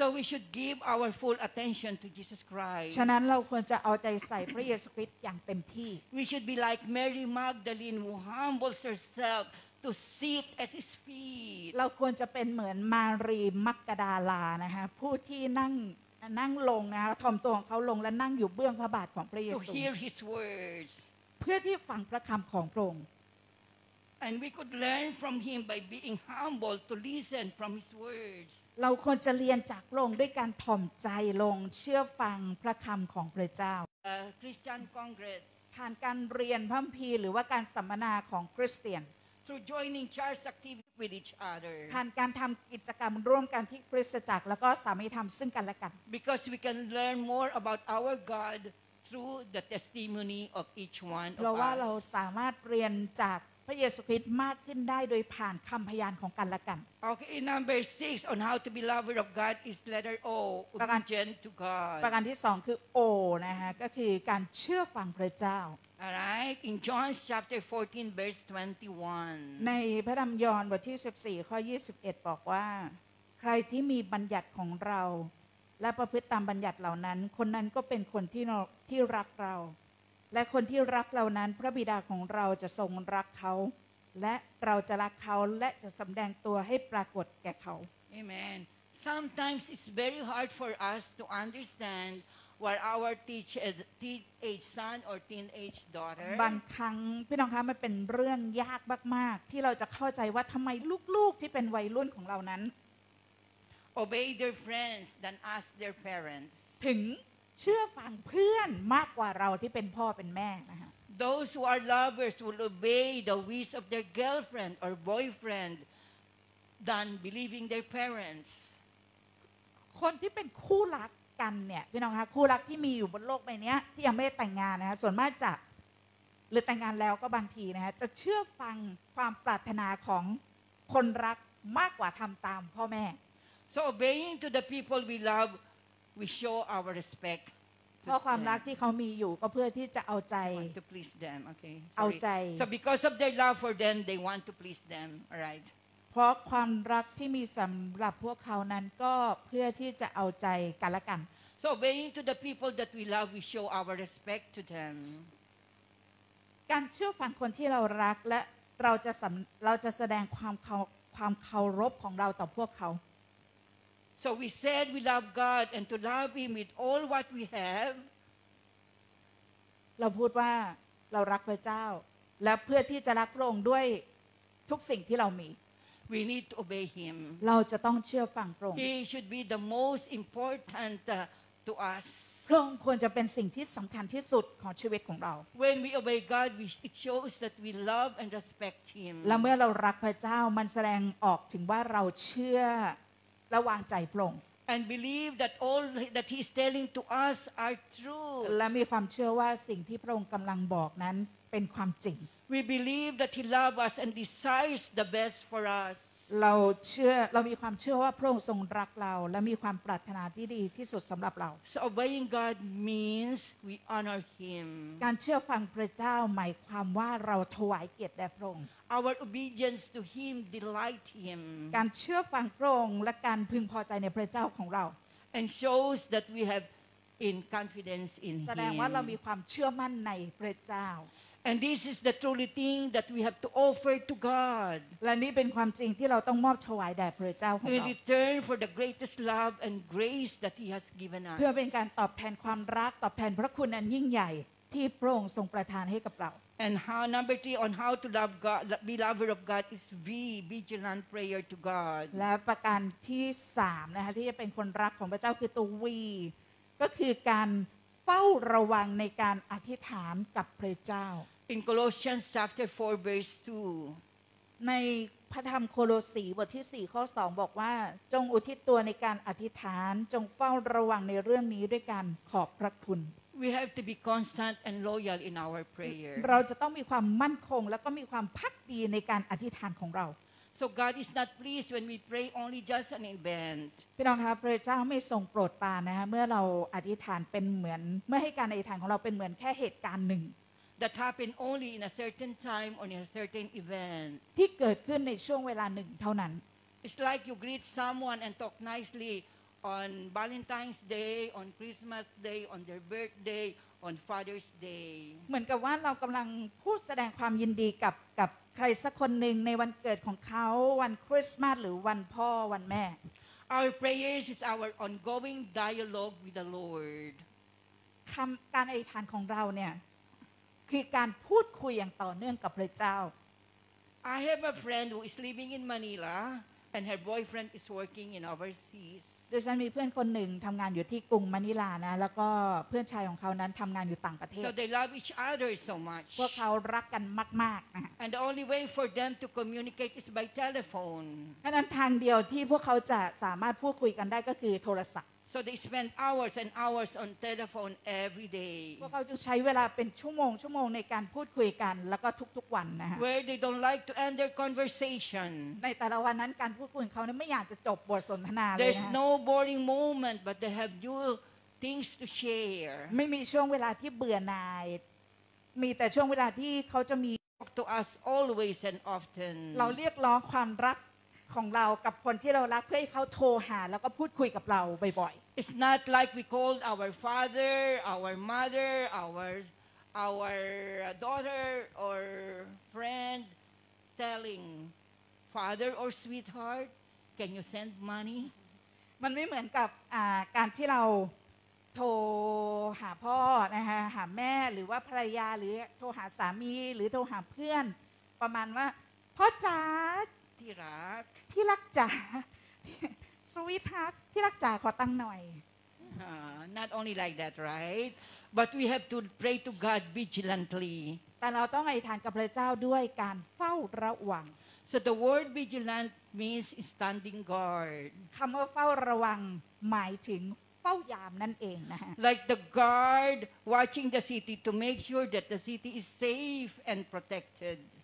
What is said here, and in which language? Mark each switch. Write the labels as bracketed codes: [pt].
[en] So we should give our full attention to Jesus Christ [th] ฉะนั้นเราควรจะเอาใจใส่พระเยซูคริสต์อย่างเต็มที่ [en] We should be like Mary Magdalene who humbles herself to sit at his feet [th] เราควรจะเป็นเหมือนมารีมักดาลานะฮะผู้ที่นั่งลงนะฮะถ่อมตัวของเขาลงและนั่งอยู่เบื้องพระบาทของพระเยซู [en] To hear his words [th] เพื่อที่ฟังพระคำของพระองค์ [en] And we could learn from him by being humble to listen from his words. [th] เราควรจะเรียนจากพระองค์ด้วยการถ่อมใจลงเชื่อฟังพระคำของพระเจ้า [en] Christian Congress. [th] ผ่านการเรียนพระคัมภีร์หรือว่าการสัมมนาของคริสเตียน [en] Through joining church activity with each other. [th] ผ่านการทำกิจกรรมร่วมกันที่คริสตจักรแล้วก็สามัคคีธรรมซึ่งกันและกัน [en] Because we can learn more about our God through the testimony of each one of us. [th] เราว่าเราสามารถเรียนจากพระเยซูคริสต์มากขึ้นได้โดยผ่านคำพยานของกันและกัน [en] Okay, number six on how to be lover of God is letter O, obedient to God. [th] ประการที่2คือ O นะฮะก็คือการเชื่อฟังพระเจ้า [en] Alright, in John chapter 14 verse 21 [th] ในพระธรรมยอห์นบทที่14ข้อ21บอกว่าใครที่มีบัญญัติของเราและประพฤติตามบัญญัติเหล่านั้นคนนั้นก็เป็นคนที่รักเราและคนที่รักเรานั้นพระบิดาของเราจะทรงรักเขาและเราจะรักเขาและจะสำแดงตัวให้ปรากฏแก่เขา [en] Amen. Sometimes it's very hard for us to understand what our teenage son or teenage daughter. [th] บางครั้งพี่น้องคะมันเป็นเรื่องยากมากๆที่เราจะเข้าใจว่าทำไมลูกๆที่เป็นวัยรุ่นของเรานั้น [en] obey their friends than ask their parents. [th] ถึงเชื่อฟังเพื่อนมากกว่าเราที่เป็นพ่อเป็นแม่นะคะ [en] Those who are lovers will obey the wish of their girlfriend or boyfriend than believing their parents [th] คนที่เป็นคู่รักกันเนี่ยพี่น้องคะคู่รักที่มีอยู่บนโลกใบนี้ที่ยังไม่แต่งงานนะคะส่วนมากจะหรือแต่งงานแล้วก็บางทีนะคะจะเชื่อฟังความปรารถนาของคนรักมากกว่าทำตามพ่อแม่ [en] So obeying to the people we love we show our respect [th] เพราะความรักที่เขามีอยู่ก็เพื่อที่จะเอาใจ [en] want to please them okay [th] เอาใจ [en] So because of their love for them they want to please them alright [th] เพราะความรักที่มีสำหรับพวกเขานั้นก็เพื่อที่จะเอาใจกันและกัน [en] So obeying to the people that we love we show our respect to them [th] การเชื่อฟังคนที่เรารักและเราจะแสดงความเคารพของเราต่อพวกเขา [en] So we said we love God and to love him with all what we have [th] เราพูดว่าเรารักพระเจ้าและเพื่อที่จะรักพระองค์ด้วยทุกสิ่งที่เรามี [en] We need to obey him [th] เราจะต้องเชื่อฟังพระองค์ [en] He should be the most important to us [th] พระองค์ควรจะเป็นสิ่งที่สำคัญที่สุดของชีวิตของเรา [en] When we obey God, it shows that we love and respect Him. [th] และเมื่อเรารักพระเจ้ามันแสดงออกถึงว่าเราเชื่อและวางใจพระองค์ [en] And believe that all that He's telling to us are true. [th] และมีความเชื่อว่าสิ่งที่พระองค์กำลังบอกนั้นเป็นความจริง [en] We believe that He loves us and desires the best for us. [th] เราเชื่อเรามีความเชื่อว่าพระองค์ทรงรักเราและมีความปรารถนาที่ดีที่สุดสำหรับเรา [en] So obeying God means we honor him [th] การเชื่อฟังพระเจ้าหมายความว่าเราถวายเกียรติแด่พระองค์ [en] Our obedience to him delight him [th] การเชื่อฟังพระองค์และการพึงพอใจในพระเจ้าของเรา [en] And shows that we have in confidence in him [th] แสดงว่าเรามีความเชื่อมั่นในพระเจ้า [en] And this is the truly thing that we have to offer to God. [th] และนี่เป็นความจริงที่เราต้องมอบถวายแด่พระเจ้าของเรา [en] In return for the greatest love and grace that He has given us. [th] เพื่อเป็นการตอบแทนความรักตอบแทนพระคุณอันยิ่งใหญ่ที่พระองค์ทรงประทานให้กับเรา [en] And how number three on how to love God, be lover of God is vigilant prayer to God. [th] และประการที่สามนะคะที่จะเป็นคนรักของพระเจ้าคือตัว V ก็คือการเฝ้าระวังในการอธิษฐานกับพระเจ้า [en] In Colossians chapter 4 verse 2 [th] ในพระธรรมโคโลสีบทที่4ข้อ2บอกว่าจงอุทิศตัวในการอธิษฐานจงเฝ้าระวังในเรื่องนี้ด้วยการขอบพระคุณ [en] We have to be constant and loyal in our prayer [th] เราจะต้องมีความมั่นคงแล้วก็มีความภักดีในการอธิษฐานของเรา [en] So God is not pleased when we pray only just an event [th] พี่น้องคะพระเจ้าไม่ทรงโปรดปรานนะฮะเมื่อเราอธิษฐานเป็นเหมือนเมื่อให้การอธิษฐานของเราเป็นเหมือนแค่เหตุการณ์หนึ่ง [en] That happened only in a certain time or in a certain event. [th] ที่เกิดขึ้นในช่วงเวลาหนึ่งเท่านั้น [en] It's like you greet someone and talk nicely on Valentine's Day, on Christmas Day, on their birthday, on Father's Day. [th] เหมือนกับว่าเรากำลังพูดแสดงความยินดีกับใครสักคนหนึ่งในวันเกิดของเขาวันคริสต์มาสหรือวันพ่อวันแม่ [en] Our prayers is our ongoing dialogue with the Lord. [th] การอธิษฐานของเราเนี่ยคือการพูดคุยอย่างต่อเนื่องกับพระเจ้า [en] I have a friend who is living in Manila and her boyfriend is working in overseas [th] ดิฉันมีเพื่อนคนหนึ่งทำงานอยู่ที่กรุงมะนิลานะแล้วก็เพื่อนชายของเขานั้นทำงานอยู่ต่างประเทศ [en] So they love each other so much [th] พวกเขารักกันมากๆ [en] And the only way for them to communicate is by telephone [th] ดังนั้นทางเดียวที่พวกเขาจะสามารถพูดคุยกันได้ก็คือโทรศัพท์ [en] So they spend hours and hours on telephone every day. [th] พวกเขาจะใช้เวลาเป็นชั่วโมงชั่วโมงในการพูดคุยกันแล้วก็ทุกๆวันนะฮะ [en] Where they don't like to end their conversation. [th] ในแต่ละวันนั้นการพูดคุยของเขาเนี่ยไม่อยากจะจบบทสนทนาเลยนะ [en] There's no boring moment, but they have new things to share. [th] ไม่มีช่วงเวลาที่เบื่อหน่ายมีแต่ช่วงเวลาที่เขาจะมี [en] Talk to us always and often. [th] เราเรียกร้องความรักของเรากับคนที่เรารักเพื่อให้เขาโทรหาแล้วก็พูดคุยกับเราบ่อย [en] ๆ It's not like we called our father, our mother, our daughter or friend telling father or sweetheart can you send money [th] มันไม่เหมือนกับการที่เราโทรหาพ่อนะฮะหาแม่หรือว่าภรรยาหรือโทรหาสามีหรือโทรหาเพื่อนประมาณว่าพ่อจ๋า ที่รัก ที่รักจ๋าสวีทฮาร์ทที่รักจ๋าขอตังค์หน่อย [en] Not only like that, right? But we have to pray to God vigilantly. [th] แต่เราต้องอธิษฐานกับพระเจ้าด้วยการเฝ้าระวัง [en] So the word vigilant means standing guard. [th] คำว่าเฝ้าระวังหมายถึงเฝ้ายามนั่นเองนะ [en] Like the guard watching the city to make sure that the city is safe and protected.